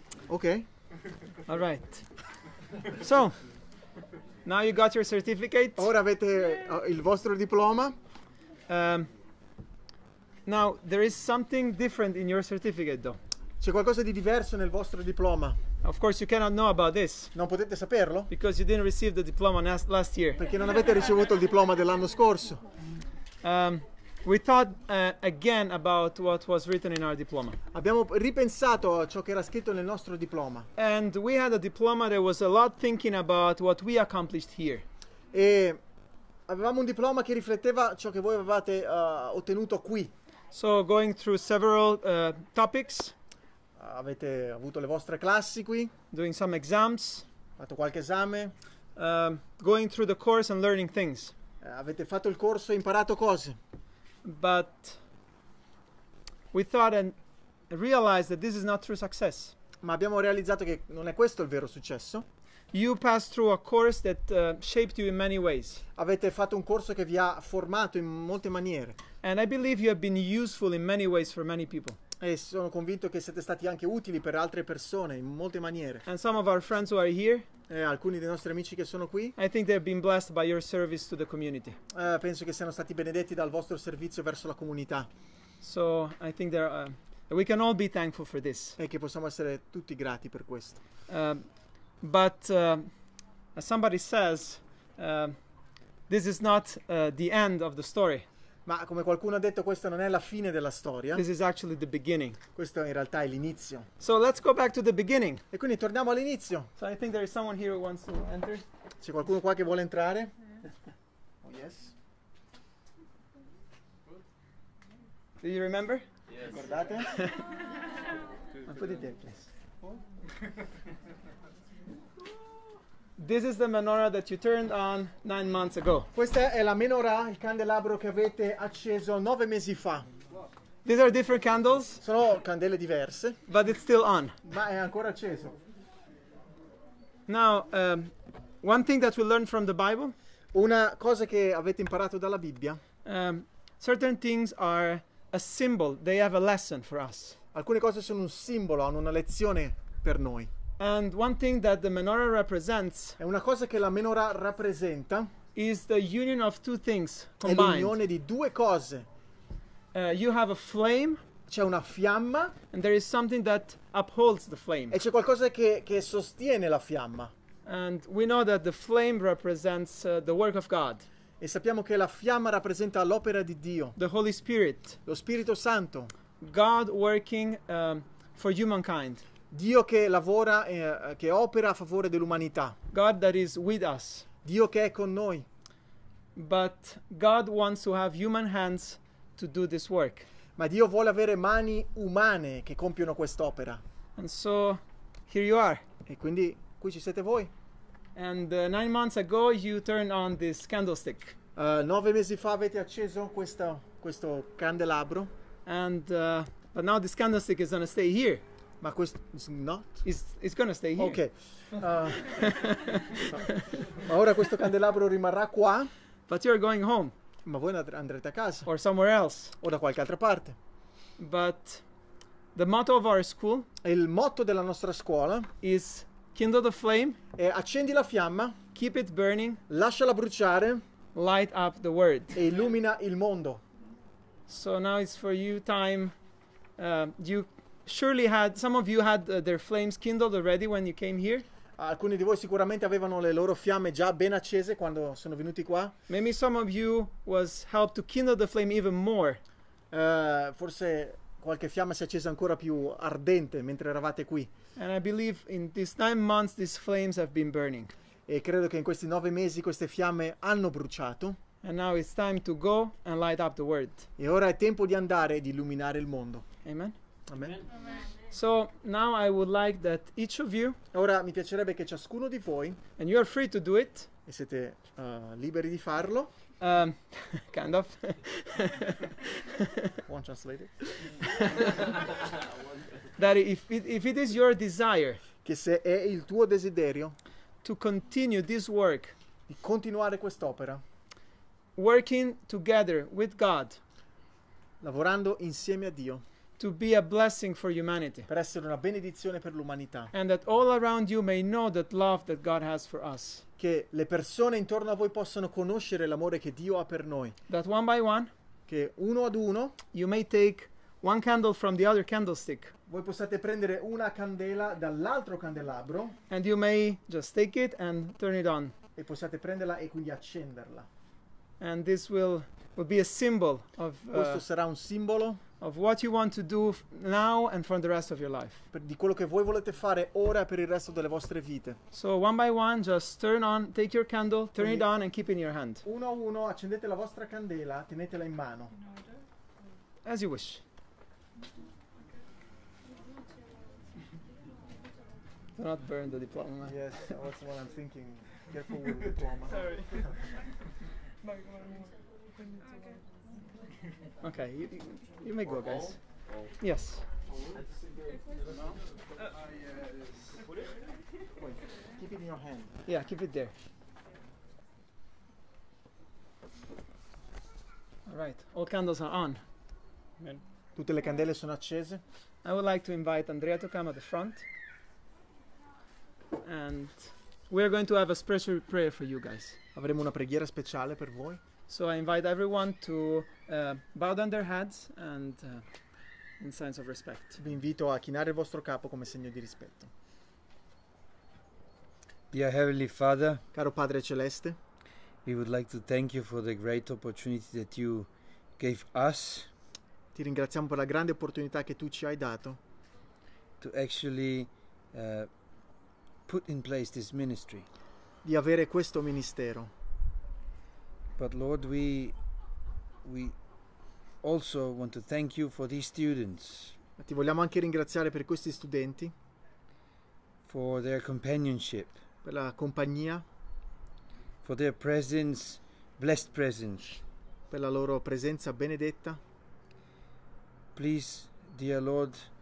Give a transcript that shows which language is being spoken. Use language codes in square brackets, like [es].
[en] Okay. All right. So, now you got your certificate. [it] Ora avete il vostro diploma. [en] Now, there is something different in your certificate, though. [it] C'è qualcosa di diverso nel vostro diploma. [en] Of course you cannot know about this. [it] Non potete saperlo. [en] Because you didn't receive the diploma last year. [it] Perché non avete ricevuto il diploma dell'anno scorso. [en] We thought again about what was written in our diploma. [it] Abbiamo ripensato a ciò che era scritto nel nostro diploma. [en] And we had a diploma that was a lot thinking about what we accomplished here. [it] E avevamo un diploma che rifletteva ciò che voi avevate ottenuto qui. [en] So going through several topics. [it] Avete avuto le vostre classi qui? [en] Doing some exams. [it] Fatto qualche esame? [en] Going through the course and learning things. [it] Avete fatto il corso e imparato cose? [en] But We thought and realized that this is not true success. [it] Ma abbiamo realizzato che non è questo il vero successo. [en] You passed through a course that shaped you in many ways. [it] Avete fatto un corso che vi ha formato in molte maniere. [en] And I believe you have been useful in many ways for many people. [it] E sono convinto che siete stati anche utili per altre persone in molte maniere. [en] And some of our friends who are here. [it] E alcuni dei nostri amici che sono qui. [en] I think they have been blessed by your service to the community. [it] Penso che siano stati benedetti dal vostro servizio verso la comunità. [en] So I think they're. We can all be thankful for this. [it] E che possiamo essere tutti grati per questo. [en] But as somebody says, this is not the end of the story. [it] Ma come qualcuno ha detto, questa non è la fine della storia. [en] This is actually the beginning. [it] Questo in realtà è l'inizio. [en] So let's go back to the beginning. [it] E quindi torniamo all'inizio. [en] So I think there is someone here who wants to enter. [it] C'è qualcuno qua che vuole entrare? [en] Oh yes. Do you remember? Yes. [it] Guardate. Ma [en] put it there, please. This is the menorah that you turned on 9 months ago. [it] Questa è la menorah, il candelabro che avete acceso 9 mesi fa. [en] These are different candles. [it] Sono candele diverse. [en] But it's still on. [it] Ma è ancora acceso. [en] Now, one thing that we learned from the Bible. [it] Una cosa che avete imparato dalla Bibbia. [en] Certain things are a symbol. They have a lesson for us. [it] Alcune cose sono un simbolo, hanno una lezione per noi. [en] And one thing that the menorah represents, [it] è una cosa che la menorah rappresenta, [en] is the union of two things combined. [it] È l'unione di due cose. [en] You have a flame, [it] c'è una fiamma, [en] and there is something that upholds the flame. [it] E c'è qualcosa che sostiene la fiamma. [en] And we know that the flame represents the work of God. [it] E sappiamo che la fiamma rappresenta l'opera di Dio. [en] The Holy Spirit, [it] lo Spirito Santo. [en] God working for humankind. [it] Dio che lavora, che opera a favore dell'umanità. [en] God that is with us. [it] Dio che è con noi. [en] But God wants to have human hands to do this work. [it] Ma Dio vuole avere mani umane che compiono quest'opera. [en] And so, here you are. [it] E quindi qui ci siete voi. [en] And 9 months ago you turned on this candlestick. [it] 9 mesi fa avete acceso questo candelabro. [en] And but now this candlestick is gonna stay here. [it] Ma questo [en] is not? It's gonna stay here. Okay. [it] ma ora questo candelabro rimarrà qua. [en] But you're going home. [it] Ma voi andrete a casa. [en] Or somewhere else. [it] O da qualche altra parte. [en] But the motto of our school. [it] Il motto della nostra scuola. [en] Is kindle the flame. [it] E accendi la fiamma. [en] Keep it burning. [it] Lasciala bruciare. [en] Light up the word. [it] E illumina il mondo. [en] So now it's for you time. You surely had some of you had their flames kindled already when you came here. [it] Alcuni di voi sicuramente avevano le loro fiamme già ben accese quando sono venuti qua. [en] Maybe some of you was helped to kindle the flame even more. [it] Forse qualche fiamma si è accesa ancora più ardente mentre eravate qui. [en] And I believe in these 9 months these flames have been burning. [it] E credo che in questi 9 mesi queste fiamme hanno bruciato. [en] And now it's time to go and light up the world. [it] E ora è tempo di andare e di illuminare il mondo. [en] Amen. [it] Amen. [en] So now I would like that each of you. [it] Ora mi piacerebbe che ciascuno di voi. [en] And you are free to do it. [it] E siete liberi di farlo. [en] Kind of. Won't translate it. That if it is your desire. [it] Che se è il tuo desiderio. [en] To continue this work. [it] Di continuare quest'opera. [en] Working together with God. [it] Lavorando insieme a Dio. [en] To be a blessing for humanity. [it] Per essere una benedizione per l'umanità. [en] And that all around you may know that love that God has for us. [it] Che le persone intorno a voi possano conoscere l'amore che Dio ha per noi. [en] That one by one. [it] Che uno ad uno. [en] You may take one candle from the other candlestick. [it] Voi possiate prendere una candela dall'altro candelabro. [en] And you may just take it and turn it on. [it] E possiate prenderla e quindi accenderla. [en] And this will be a symbol of. [it] Questo sarà un simbolo. [en] Of what you want to do now and for the rest of your life. [it] Di quello che voi volete fare ora per il resto delle vostre vite. [en] So one by one, just turn on, take your candle, turn it on and keep it in your hand. [it] Uno a uno, accendete la vostra candela, tenetela in mano. [en] As you wish. Do not burn the diploma. Yes, that's what I'm thinking. Careful with the diploma. Sorry. Okay, you may go, guys. Yes. Keep it in your hand. Yeah, keep it there. All right, all candles are on. [it] Tutte le candele sono accese. [en] I would like to invite Andrea to come at the front. And we're going to have a special prayer for you guys. [it] Avremo una preghiera speciale per voi. [en] So I invite everyone to bow down their heads and in signs of respect. [it] Vi invito a chinare il vostro capo come segno di rispetto. [en] Dear Heavenly Father, [it] caro Padre Celeste, [en] we would like to thank you for the great opportunity that you gave us. [it] Ti ringraziamo per la grande opportunità che tu ci hai dato. [en] To actually put in place this ministry. [it] Di avere questo ministero. [en] But Lord, we also want to thank you for these students. [it] Ma ti vogliamo anche ringraziare per questi studenti. [en] For their companionship. [it] Per la compagnia. [en] For their presence, blessed presence. [it] Per la loro presenza benedetta. [en] Please, dear Lord,